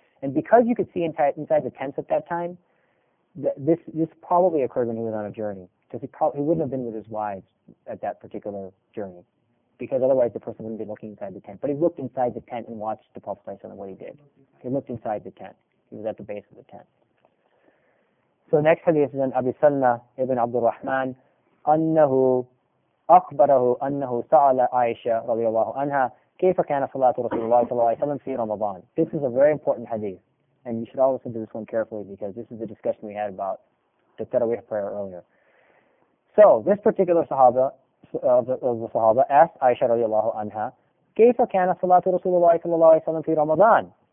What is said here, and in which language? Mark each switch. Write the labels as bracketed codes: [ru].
[en] And because you could see inside the tents at that time, this probably occurred when he was on a journey. Because he wouldn't have been with his wives at that particular journey. Because otherwise the person wouldn't be looking inside the tent. But he looked inside the tent and watched the Prophet and what he did. He looked inside the tent. He was at the base of the tent. So the next hadith is in Abi Salma ibn Abdul Rahman, [ar] أَنَّهُ أَخْبَرَهُ أَنَّهُ سَعَلَ عَيْشَ رَضِيَ اللَّهُ عَنْهَا كَيْفَ كَانَ صَلَاتُ رَسُولُ اللَّهِ صَلَى اللَّهِ عَلَيْهِ وَسَلَّمَ فِي رَمَضَانِ. [en] This is a very important hadith. And you should all listen to this one carefully, because this is the discussion we had about the Taraweeh prayer earlier. So this particular Sahaba of the Sahaba asked Aisha radiallahu anha, [ar] كَيْفَ كَانَ صَلَاةُ رَسُولُ اللَّهِ صَلَى اللَّهُ عَلَيْهِ وَسَلَّمْ فِي رَمَضَانِ.